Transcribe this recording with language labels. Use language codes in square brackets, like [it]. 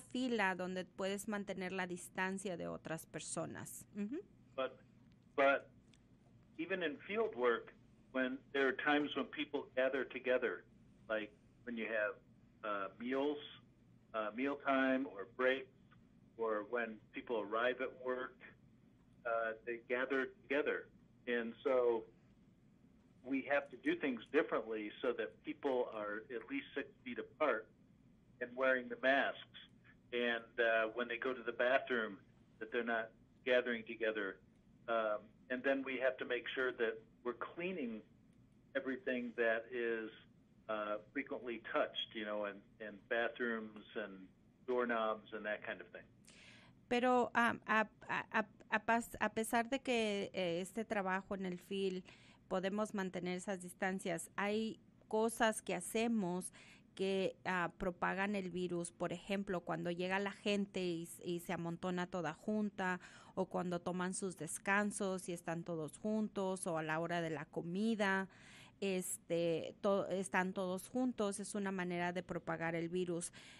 [es] fila donde puedes mantener la distancia de otras personas. Uh-huh. [en] But even in field work, when there are times when people gather together, like when you have meals, meal time or breaks, or when people arrive at work, they gather together. And so we have to do things differently so that people are at least 6 feet apart and wearing the masks. And when they go to the bathroom, that they're not gathering together And then we have to make sure that we're cleaning everything that is frequently touched, you know, in bathrooms and doorknobs and that kind of thing. [es] Pero a pesar de que este trabajo en el field podemos mantener esas distancias, hay cosas que hacemos que propagan el virus. Por ejemplo, cuando llega la gente y se amontona toda junta, o cuando toman sus descansos y están todos juntos, o a la hora de la comida, están todos juntos, es una manera de propagar el virus.